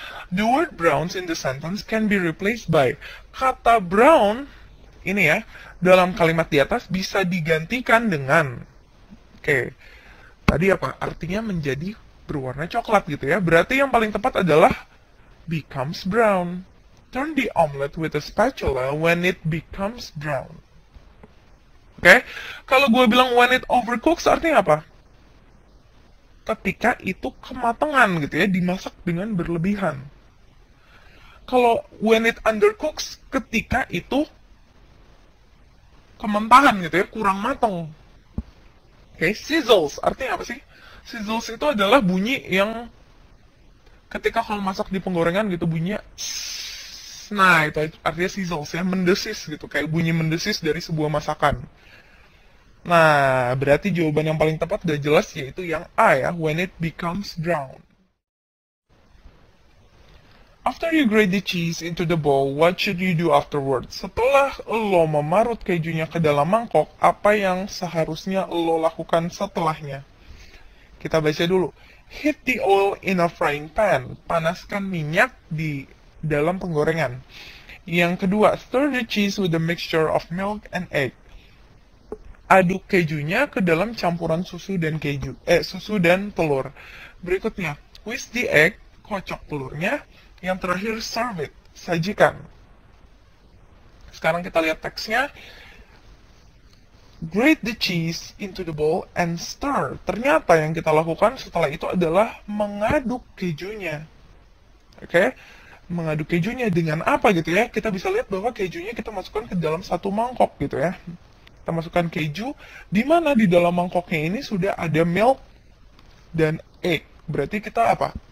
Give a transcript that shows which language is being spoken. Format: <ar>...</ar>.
<en>The word browns in the sentence can be replaced by</en> <id>kata brown ini ya dalam kalimat di atas bisa digantikan dengan. Oke, tadi apa? Artinya menjadi berwarna coklat, gitu ya. Berarti yang paling tepat adalah</id> <en>becomes brown. Turn the omelet with a spatula when it becomes brown.</en> <id>Oke, kalau gue bilang</id> <en>when it overcooks</en> <id>artinya apa? ketika itu kematangan gitu ya, dimasak dengan berlebihan. Kalau</id> <en>when it undercooks,</en> <id>ketika itu kementahan gitu ya, kurang matang. Okay, sizzles artinya apa sih? Sizzles itu adalah bunyi yang ketika kalau masak di penggorengan gitu bunyinya nah itu artinya sizzles ya, mendesis gitu, kayak bunyi mendesis dari sebuah masakan. Nah, berarti jawaban yang paling tepat udah jelas yaitu yang A ya,</id> <en>when it becomes brown. After you grate the cheese into the bowl, what should you do afterwards?</en> <id>Setelah lo memarut kejunya ke dalam mangkok, apa yang seharusnya lo lakukan setelahnya? Kita baca dulu.</id> <en>Heat the oil in a frying pan.</en> <id>Panaskan minyak di dalam penggorengan. Yang kedua,</id> <en>stir the cheese with a mixture of milk and egg.</en> <id>Aduk kejunya ke dalam campuran susu dan keju, susu dan telur. Berikutnya,</id> <en>whisk the egg,</en> <id>kocok telurnya. Yang terakhir,</id> <en>serve it,</en> <id>sajikan. Sekarang kita lihat teksnya.</id> <en>Grate the cheese into the bowl and stir.</en> <id>Ternyata yang kita lakukan setelah itu adalah mengaduk kejunya. Oke? Mengaduk kejunya dengan apa gitu ya? Kita bisa lihat bahwa kejunya kita masukkan ke dalam satu mangkok gitu ya. Kita masukkan keju, di mana di dalam mangkoknya ini sudah ada milk dan egg. Berarti kita apa?</id>